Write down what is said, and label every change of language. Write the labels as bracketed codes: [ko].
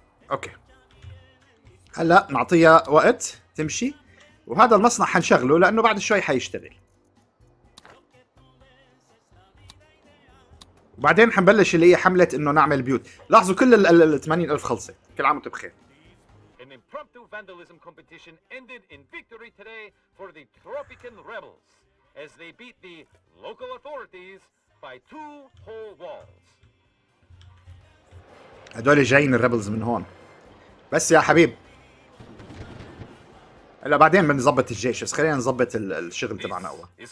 [ar] اوكي هلا نعطيها وقت تمشي، وهذا المصنع حنشغله لانه بعد شوي حيشتغل. وبعدين حنبلش اللي هي حمله انه نعمل بيوت. لاحظوا كل ال 80,000 خلصت، كل عام وانتم بخير. [en] An impromptu vandalism competition ended in victory today for the Tropican Rebels as they beat the local authorities by 2 whole walls. [ar] هدول جايين الريبلز من هون. بس يا حبيب هلا بعدين بنظبط الجيش، بس خلينا نظبط الشغل تبعنا اول.